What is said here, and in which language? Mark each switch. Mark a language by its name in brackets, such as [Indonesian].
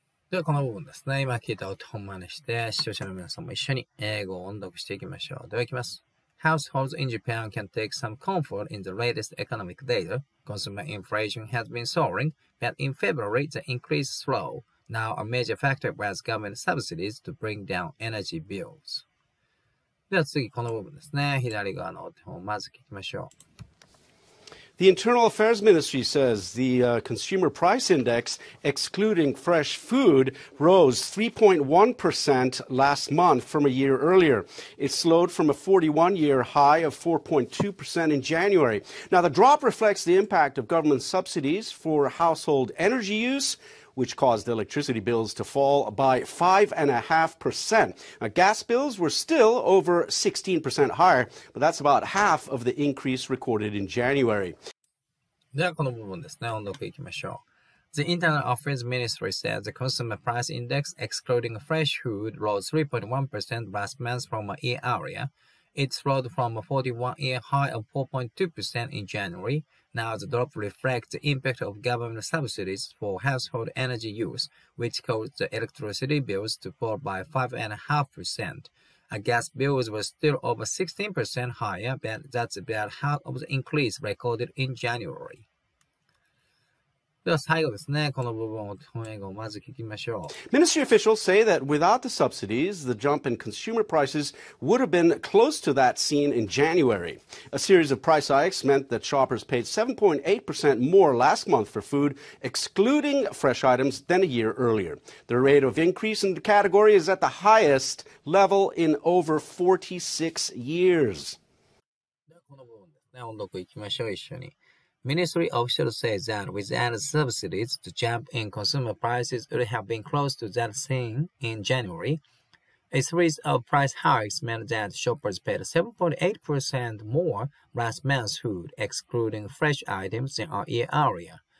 [Japanese] では、この部分ですね。今聞いた音を真似して、視聴者の皆さんも一緒に英語を音読していきましょう。では、いきます。 [English] Households in Japan can take some comfort in the latest economic data. Consumer inflation has been soaring, but in February the increase slowed. Now a major factor was government subsidies to bring down energy bills. [Japanese] では次この部分ですね。左側の手本をまず聞きましょう。 [English] The Internal Affairs Ministry says the consumer price index, excluding fresh food, rose 3.1% last month from a year earlier. It slowed from a 41-year high of 4.2% in January. Now, the drop reflects the impact of government subsidies for household energy use, which caused electricity bills to fall by 5.5%. Now, gas bills were still over 16% higher, but that's about half of the increase recorded in January. [Japanese] ではこの部分ですね、音読いきましょう。 [English] The Internal Affairs Ministry says the consumer price index, excluding fresh food, rose 3.1% last month from a year earlier. It slowed from a 41-year high of 4.2% in January. Now the drop reflects the impact of government subsidies for household energy use, which caused the electricity bills to fall by 5.5%. A gas bills were still over 16% higher, but that's about half of the increase recorded in January. [Japanese] では最後ですね、この部分を日本英語をまず聞きましょう。 [English] Ministry officials say that without the subsidies, the jump in consumer prices would have been close to that seen in January. A series of price hikes meant that shoppers paid 7.8% more last month for food, excluding fresh items, than a year earlier. The rate of increase in the category is at the highest level in over 46 years. [Japanese] ではこの部分ですね、音読いきましょう、一緒に。 [English] Ministry officials say that without subsidies, the jump in consumer prices would have been close to that seen in January. A series of price hikes meant that shoppers paid 7.8% more last month's food, excluding fresh items, than a year earlier.